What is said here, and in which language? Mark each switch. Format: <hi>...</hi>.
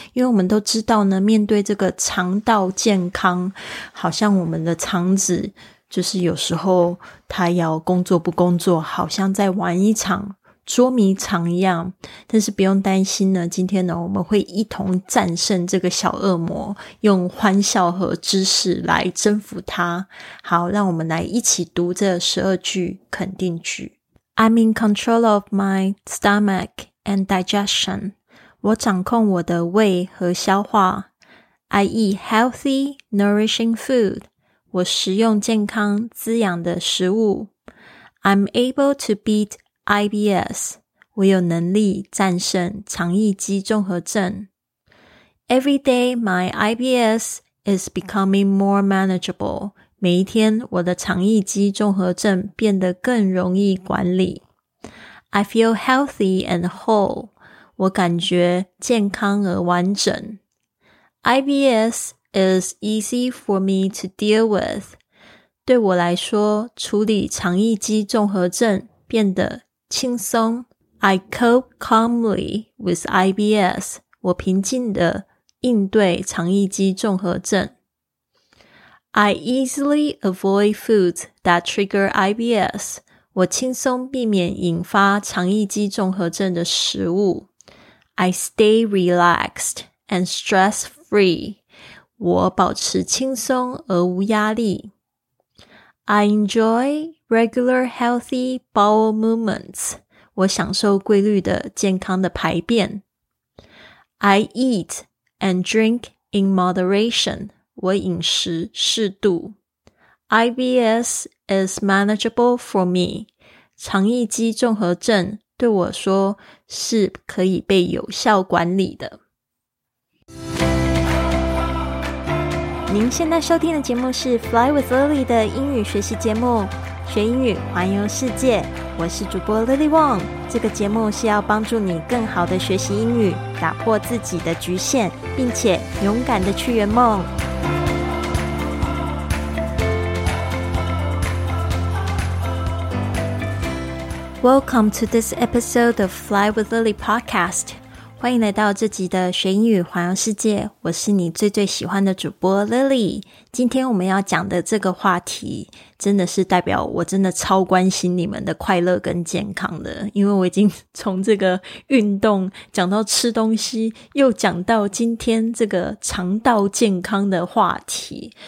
<zh>因为我们都知道呢，面对这个肠道健康，好像我们的肠子就是有时候他要工作不工作，好像在玩一场捉迷藏一样。但是不用担心呢，今天呢我们会一同战胜这个小恶魔，用欢笑和知识来征服他。好，让我们来一起读这12句肯定句。</zh> <en>I'm in control of my stomach and digestion.</en> <zh>我掌控我的胃和消化。</zh> <en>I eat healthy, nourishing food.</en> <zh>我食用健康滋养的食物。</zh> <en>I'm able to beatIBS,</en> <zh>我有能力战胜肠易激综合症。</zh> <en>Every day, my IBS is becoming more manageable.</en> <zh>每一天，我的肠易激综合症变得更容易管理。</zh> <en>I feel healthy and whole.</en> <zh>我感觉健康而完整。</zh> <en>IBS is easy for me to deal with.</en> <zh>对我来说，处理肠易激综合症变得轻松。</zh> <en>I cope calmly with IBS.</en> <zh>我平静地应对肠易激综合症。</zh> <en>I easily avoid foods that trigger IBS.</en> <zh>我轻松避免引发肠易激综合症的食物。</zh> <en>I stay relaxed and stress free.</en> <zh>我保持轻松而无压力。</zh> <en>I enjoy regular healthy bowel movements.</en> <zh>我享受规律的健康的排便。</zh> <en>I eat and drink in moderation.</en> <zh>我饮食适度。</zh> <en>IBS is manageable for me.</en> <zh>肠易激综合症对我说是可以被有效管理的。您现在收听的节目是 Fly with Lily 的英语学习节目，学英语环游世界，我是主播 Lily Wong。这个节目是要帮助你更好的学习英语，打破自己的局限，并且勇敢的去圆梦。</zh> <en>Welcome to this episode of Fly with Lily podcast.</en> <zh>欢迎来到这集的学英语环游世界，我是你最最喜欢的主播 Lily。今天我们要讲的这个话题真的是代表我真的超关心你们的快乐跟健康的，因为我已经从这个运动讲到吃东西，又讲到今天这个肠道健康的话题。</zh>